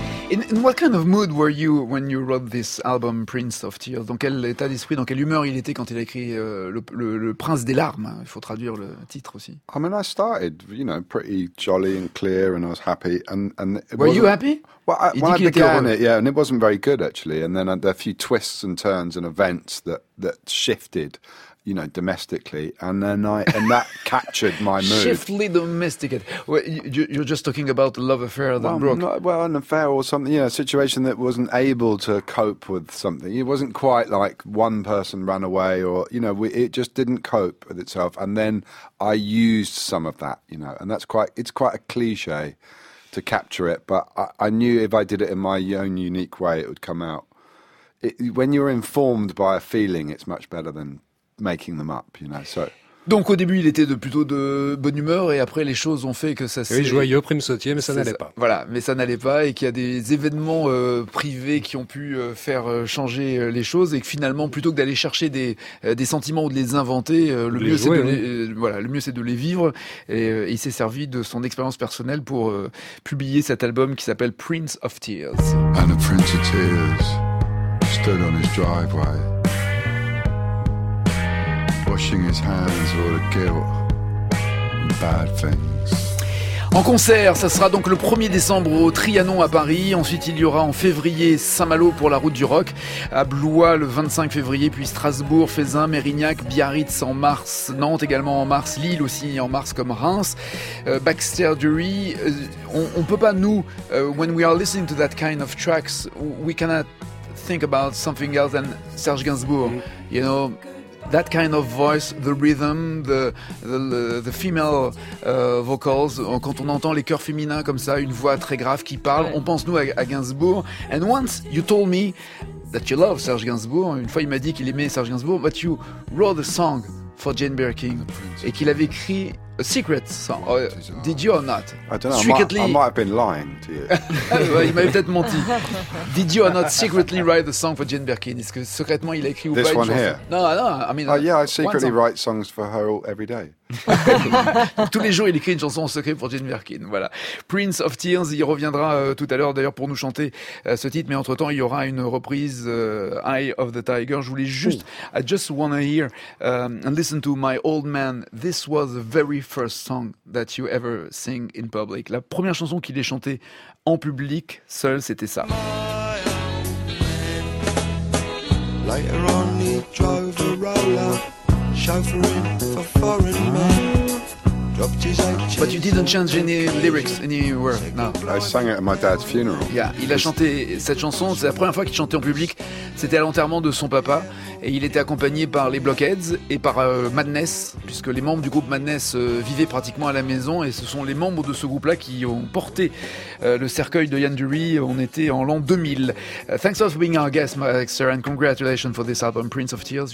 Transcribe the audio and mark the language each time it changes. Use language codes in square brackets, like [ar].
[en] In what kind of mood were you when you wrote this album, Prince of Tears? [fr] Dans quel état d'esprit, dans quelle humeur il était quand il a écrit le Prince des larmes? Il faut traduire le titre aussi. [en] I mean, I started, you know, pretty jolly and clear, and I was happy. And were you happy? Well, when I began it, yeah, and it wasn't very good actually. And then there were a few twists and turns and events that shifted, you know, domestically, and then that captured my mood. Shiftly domesticated. Well, you're just talking about the love affair that broke. Well, an affair or something, you know, a situation that wasn't able to cope with something. It wasn't quite like one person ran away, or, you know, it just didn't cope with itself. And then I used some of that, you know, and it's quite a cliche to capture it, but I knew if I did it in my own unique way, it would come out. When you're informed by a feeling, it's much better than making them up, you know. So, [fr] donc au début, il était plutôt de bonne humeur, et après, les choses ont fait que ça s'est... Oui, joyeux, prime sautier, mais ça n'allait pas. Voilà, mais ça n'allait pas, et qu'il y a des événements privés qui ont pu faire changer les choses, et que finalement, plutôt que d'aller chercher des sentiments ou de les inventer, le mieux c'est de les vivre. Et il s'est servi de son expérience personnelle pour publier cet album qui s'appelle Prince of Tears. [en] And the Prince of Tears stood on his driveway, washing his hands of all the guilt and bad things. [fr] En concert, ça sera donc le 1er décembre au Trianon à Paris. Ensuite, il y aura en février Saint-Malo pour la Route du Rock. À Blois le 25 février, puis Strasbourg, Fézin, Mérignac, Biarritz en mars, Nantes également en mars, Lille aussi en mars comme Reims. [en] Baxter Dury, [fr] on peut pas nous, [en] when we are listening to that kind of tracks, we cannot think about something else than Serge Gainsbourg, you know, that kind of voice, the rhythm, the female vocals, [fr] quand on entend les chœurs féminins comme ça, une voix très grave qui parle, on pense nous à Gainsbourg. [en] And once you told me that you love Serge Gainsbourg, [fr] une fois il m'a dit qu'il aimait Serge Gainsbourg, [en] but you wrote a song for Jane Birkin, [fr] et qu'il avait écrit [en] a secret song, or, did you or not? I don't know, I might have been lying to you. [fr] Ouais, il m'avait peut-être menti. [en] Did you or not secretly write the song for Jane Birkin? [fr] Est-ce que secrètement il a écrit ou [en] this [fr] pas [en] this one here? No, I mean... Oh yeah, I secretly write songs for her every day. [fr] Tous les jours il écrit une chanson en secret pour Jane Birkin, voilà. Prince of Tears, il reviendra tout à l'heure d'ailleurs pour nous chanter ce titre, mais entre temps il y aura une reprise Eye of the Tiger. Je voulais juste [en] I just want to hear and listen to My Old Man. This was the very first song that you ever sing in public. [fr] La première chanson qu'il ait chantée en public seul, c'était ça. [en] My old man, later on he drove a roller, chauffeuring for foreign men. But you didn't change any lyrics anywhere, no. I sang it at my dad's funeral. [fr] Yeah, il a chanté cette chanson. C'est la première fois qu'il chantait en public. C'était à l'enterrement de son papa. Et il était accompagné par les Blockheads et par Madness, puisque les membres du groupe Madness vivaient pratiquement à la maison. Et ce sont les membres de ce groupe-là qui ont porté le cercueil de Ian Dury. On était en l'an 2000. [en] Thanks for being our guest, Max, sir, and congratulations for this album, Prince of Tears.